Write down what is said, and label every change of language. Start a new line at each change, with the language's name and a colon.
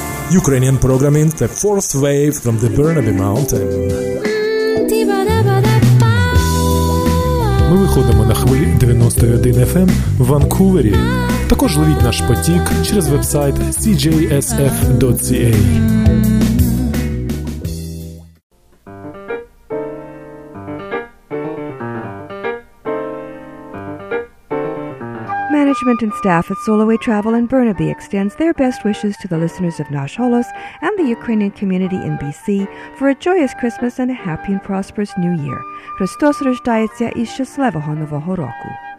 English: Ukrainian programming – the fourth wave from the Burnaby Mountain.
Ukrainian: Ми виходимо на хвилі 91 FM в Ванкувері. Також ловіть наш потік через вебсайт cjsf.ca.
English: Management and staff at Soloway Travel in Burnaby extends their best wishes to the listeners of Nash Holos and the Ukrainian community in BC for a joyous Christmas and a happy and prosperous New Year.
Ukrainian: Христос рождається і щасливого нового року.